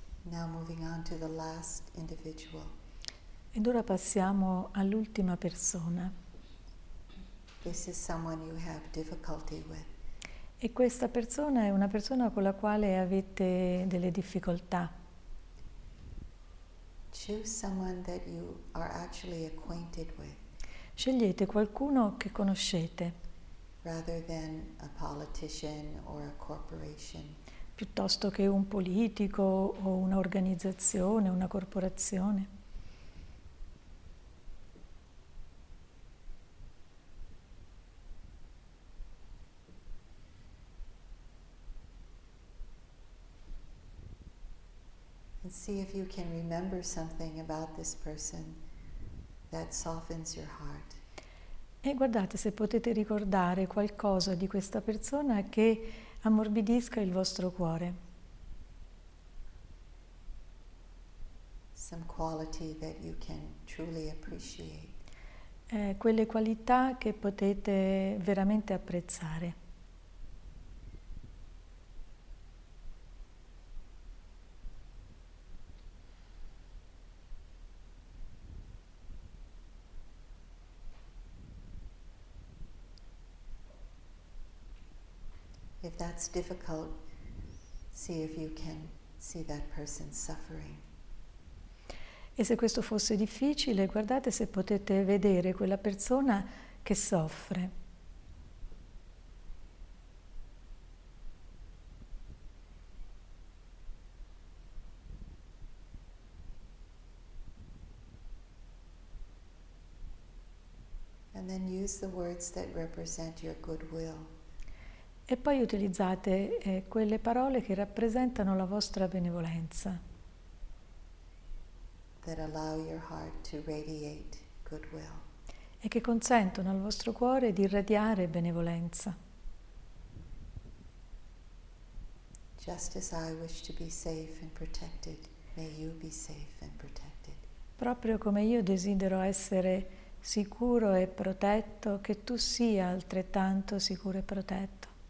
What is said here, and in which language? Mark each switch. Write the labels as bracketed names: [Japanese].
[English] Now moving on to the last individual. [Italian] Ed ora passiamo all'ultima persona. [English] This is someone you have difficulty with. [Italian] E questa persona è una persona con la quale avete delle difficoltà. [English] Choose someone that you are actually acquainted with. [Italian] Scegliete qualcuno che conoscete. [English] Rather than a politician or a corporation. [Italian] Piuttosto che un politico o un'organizzazione, una corporazione. [English] See if you can remember something about this person that softens your heart. [Italian] E guardate se potete ricordare qualcosa di questa persona che ammorbidisca il vostro cuore. [English] Some quality that you can truly appreciate. [Italian] Quelle qualità che potete veramente apprezzare. [English] If that's difficult, see if you can see that person suffering. [Italian] E se questo fosse difficile, guardate se potete vedere quella persona che soffre. [English] And then use the words that represent your goodwill. [Italian] E poi utilizzate quelle parole che rappresentano la vostra benevolenza. [English] That allow your heart to radiate goodwill. [Italian] E che consentono al vostro cuore di irradiare benevolenza. [English] Just as I wish to be safe and protected, may you be safe and protected. [Italian] Proprio come io desidero essere sicuro e protetto, che tu sia altrettanto sicuro e protetto.